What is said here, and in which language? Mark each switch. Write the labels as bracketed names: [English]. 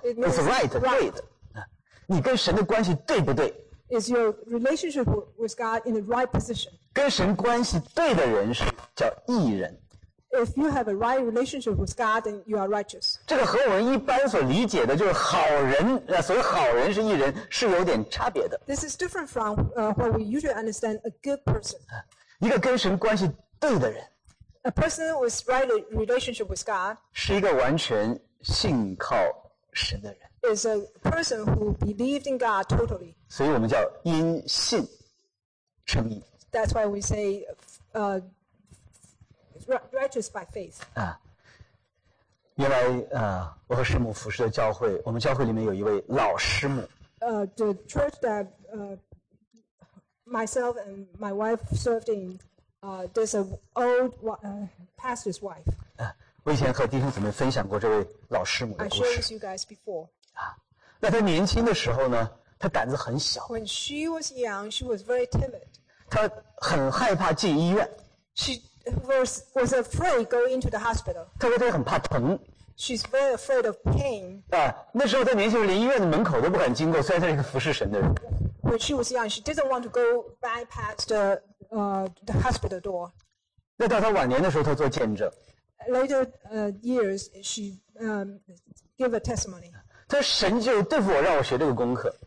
[English] ？It's right, [Chinese] right. 对的。你跟神的关系对不对 [English] ？Is your relationship with God in the right position? [Chinese] 跟神关系对的人是叫义人。 [English] If you have a right relationship with God, then you are righteous. [Chinese] 这个和我们一般所理解的就是好人，所谓好人是义人，是有点差别的。 [English] This is different from what we usually understand a good person. [Chinese] 一个跟神关系对的人。 [English] A person with right relationship with God [Chinese] 是一个完全信靠神的人。 [English] Is a person who believed in God totally. [Chinese] 所以我们叫因信称义。 [English] That's why we say, righteous by faith. [Chinese] 啊，原来啊，我和师母服侍的教会，我们教会里面有一位老师母。 [English] The church that myself and my wife served in. There's an old pastor's wife. [Chinese] 我以前和弟兄姊妹分享过这位老师母的故事。 [English] I shared with you guys before. [Chinese] 那她年轻的时候呢，她胆子很小。 [English] When she was young, she was very timid. [Chinese] 她很害怕进医院。 [English] She was afraid to go into the hospital. [Chinese] 她说她很怕疼。 [English] She's very afraid of pain. [Chinese] 那时候她年轻人连医院的门口都不敢经过，虽然她是一个服侍神的人。 [English] When she was young, she didn't want to go bypass the hospital door. [Chinese] 那到她晚年的时候，她做见证。 [English] Later years, she gave a testimony. [Chinese] 她说神就对付我，让我学这个功课。